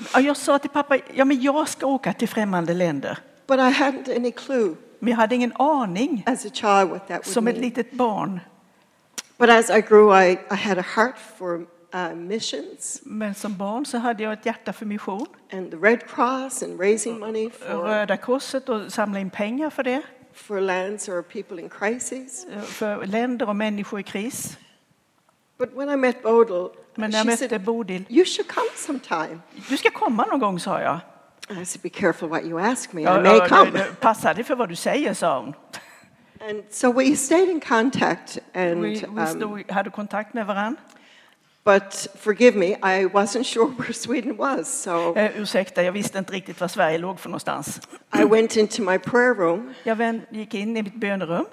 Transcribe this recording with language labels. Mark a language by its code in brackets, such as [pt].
[sv] Jag sa till pappa, ja men jag ska åka till främmande länder. [en] But I hadn't any clue. [sv] Men jag hade ingen aning. [en] As a child, what that would mean. [sv] Som ett litet barn. [en] But as I grew, I had a heart for missions. [sv] Men som barn så hade jag ett hjärta för mission. [en] And the Red Cross and raising money for [sv] Röda Korset och samla in pengar för det. [en] For lands or people in crisis. [sv] För länder och människor i kris. [en] But when I met Bodil, [sv] men när jag mötte Bodil, [en] you should come sometime. [sv] Du ska komma någon gång, sa jag. [en] I said, be careful what you ask me. I may come. [sv] Passa dig för vad du säger, sa hon. [en] And so we stayed in contact and we [sv] hade kontakt med varann. [en] But forgive me, I wasn't sure where Sweden was. So [sv] ursäkta, jag visste inte riktigt var Sverige låg för någonstans. [en] I went into my prayer room. [sv] Jag gick in i mitt bönerum.